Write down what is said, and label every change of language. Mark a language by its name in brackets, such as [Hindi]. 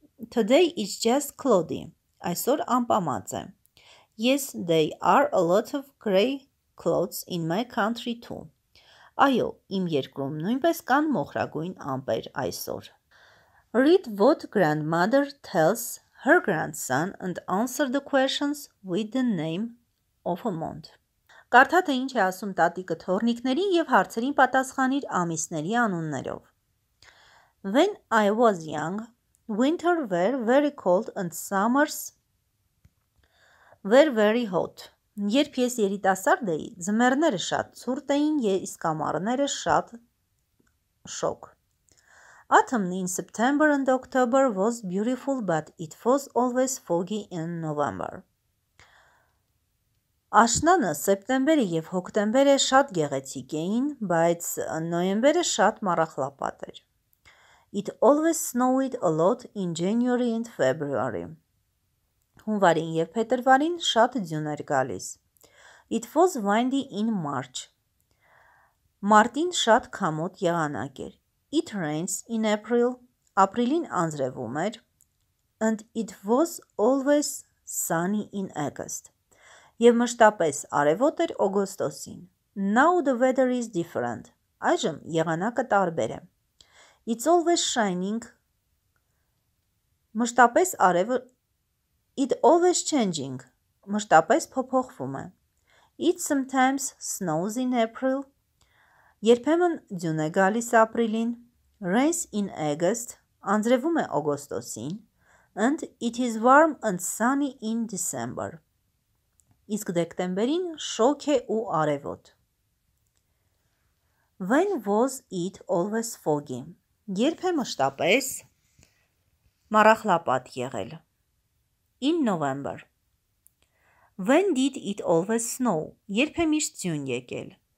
[English] Today it's just cloudy. [Armenian] Այսօր անպամած է. [English] Yes, there are a lot of grey clouds in my country too. [Armenian] Այո, իմ երկրում նույնպես կան մոխրագույն ամպեր այսօր. [English] Read what grandmother tells her grandson and answer the questions with the name of a month. [Armenian] Կարդա, թե ինչ է ասում տատիկը թոռնիկներին և հարցերին պատասխանիր ամիսների անուններով. [English] When I was young, winter were very cold and summers were very hot. [Armenian] Երբ ես երիտասարդ էի, ձմեռները շատ ցուրտ էին և իսկ ամառները շատ շոգ. [English] Autumn in September and October was beautiful, but it was always foggy in November. [Armenian] Աշնանը սեպտեմբերը և հոկտեմբերը շատ գեղեցիկ էին, բայց նոյեմբերը շատ մառախլապատ էր. [English] It always snowed a lot in January and February. [Armenian] Հունվարին և փետրվարին շատ ձյուն էր գալիս. [English] It was windy in March. [Armenian] Մարտին շատ քամոտ եղանակ էր. [English] It rains in April. [Armenian] Ապրիլին անձրևում էր. [English] And it was always sunny in August. [Armenian] Եվ մշտապես արևոտ էր օգոստոսին. [English] Now the weather is different. [Armenian] Այժմ եղանակը տարբեր է. [English] It's always shining. [Armenian] Մշտապես արևը [English] It always changing. [Armenian] Մշտապես փոփոխվում է. [English] It sometimes snows in April. [Armenian] Երբեմն ձյուն է գալիս ապրիլին. [English] Rains in August. [Armenian] Անձրևում է օգոստոսին. [English] And it is warm and sunny in December. [Armenian] Իսկ դեկտեմբերին շոգ է ու արևոտ. [English] When was it always foggy? [Armenian] Երբ է մշտապես մառախլապատ եղել. [English] In November. When did it always snow? [Armenian] Երբ է միշտ ձյուն եկել.